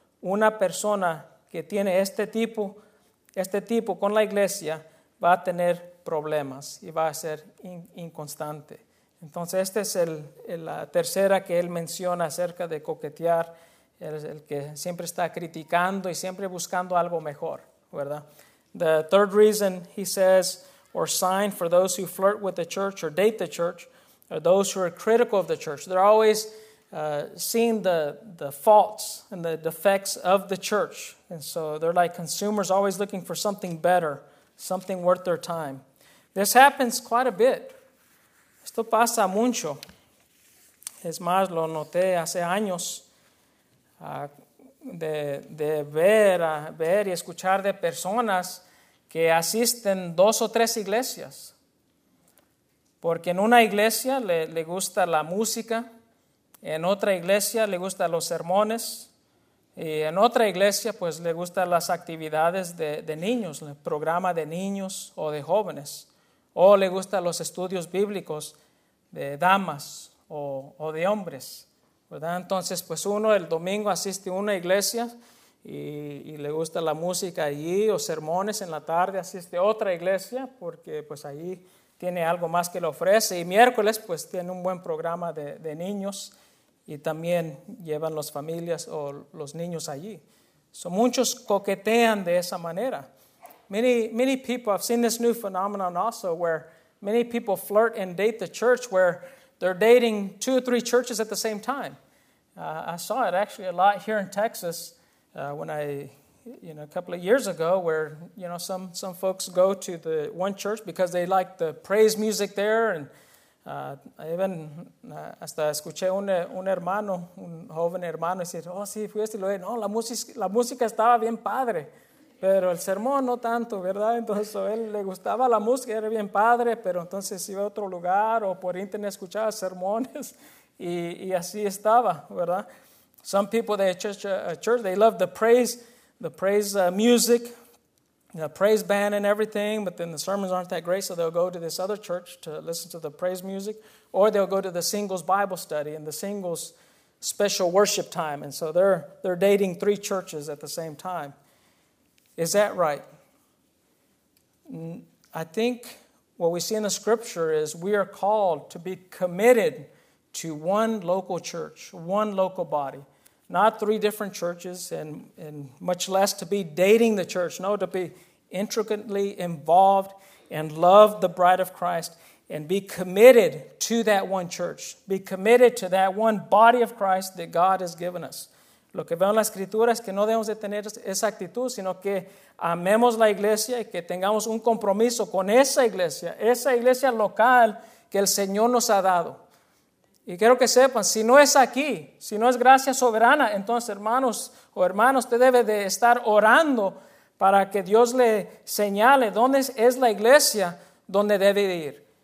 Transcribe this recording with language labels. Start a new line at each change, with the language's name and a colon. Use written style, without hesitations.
Spanish: Una persona que tiene este tipo con la iglesia va a tener problemas y va a ser inconstante. Entonces, esta es la tercera que él menciona acerca de coquetear, el que siempre está criticando y siempre buscando algo mejor, ¿verdad?
English: The third reason he says, or sign for those who flirt with the church or date the church, are those who are critical of the church. They're always seeing the faults and the defects of the church. And so they're like consumers always looking for something better, something worth their time. This happens quite a bit.
Spanish: Esto pasa mucho. Es más, lo noté hace años de ver y escuchar de personas que asisten dos o tres iglesias. Porque en una iglesia le gusta la música, En otra iglesia le gustan los sermones. Y en otra iglesia, pues, le gustan las actividades de niños, el programa de niños o de jóvenes. O le gustan los estudios bíblicos de damas o de hombres, ¿verdad? Entonces, pues, uno el domingo asiste a una iglesia y le gusta la música allí, o sermones en la tarde, asiste a otra iglesia porque, pues, ahí tiene algo más que le ofrece. Y miércoles, pues, tiene un buen programa de niños. Y también llevan las familias o los niños allí. So muchos coquetean de esa manera.
English: Many people, I've seen this new phenomenon also where many people flirt and date the church where they're dating two or three churches at the same time. I saw it actually a lot here in Texas a couple of years ago where, you know, some folks go to the one church because they like the praise music there and
Spanish: hasta escuché un hermano, un joven hermano, decir, oh, sí, fuiste, y lo dije, no, la música estaba bien padre, pero el sermón no tanto, ¿verdad? Entonces, a él le gustaba la música, era bien padre, pero entonces iba a otro lugar o por internet escuchaba sermones y así estaba, ¿verdad?
English: Some people, they church, they love the praise music, the praise band and everything, but then the sermons aren't that great, so they'll go to this other church to listen to the praise music, or they'll go to the singles Bible study and the singles special worship time, and so they're dating three churches at the same time. Is that right? I think what we see in the scripture is we are called to be committed to one local church, one local body, not three different churches, and much less to be dating the church, no, to be intricately involved and love the bride of Christ and be committed to that one church, be committed to that one body of Christ that God has given us.
Spanish: Lo que veo en la escritura es que no debemos de tener esa actitud, sino que amemos la iglesia y que tengamos un compromiso con esa iglesia local que el Señor nos ha dado. Y quiero que sepan, si no es aquí, si no es gracia soberana, entonces hermanos o hermanas, usted debe de estar orando para que Dios le señale dónde es la iglesia donde debe ir.